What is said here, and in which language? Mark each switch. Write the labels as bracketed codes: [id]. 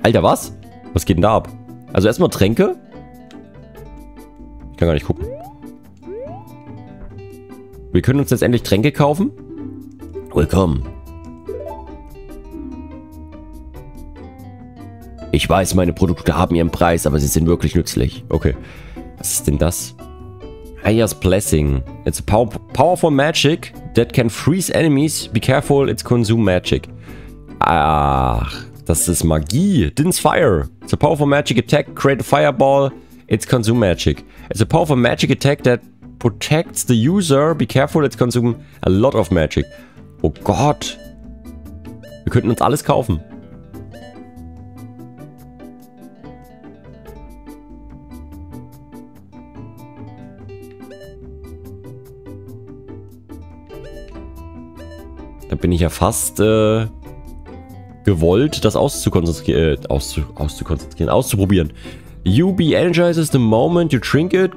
[de] Alter, was? Was geht denn da ab? Also erstmal Tränke. Ich kann gar nicht gucken. Wir können uns jetzt endlich Tränke kaufen. Willkommen. Ich weiß, meine Produkte haben ihren Preis, aber sie sind wirklich nützlich. Okay. Was ist denn das? Aya's Blessing. [en] It's a powerful magic that can freeze enemies. Be careful, it's consume magic. [de] Ach, das ist Magie. [en] Din's Fire. It's a powerful magic attack. Create a fireball. It's consume magic. It's a powerful magic attack that protects the user. Be careful, it's consume a lot of magic. [de] Oh Gott. Wir könnten uns alles kaufen. Da bin ich ja fast gewollt, das auszuprobieren. [en] You be energized the moment you drink it.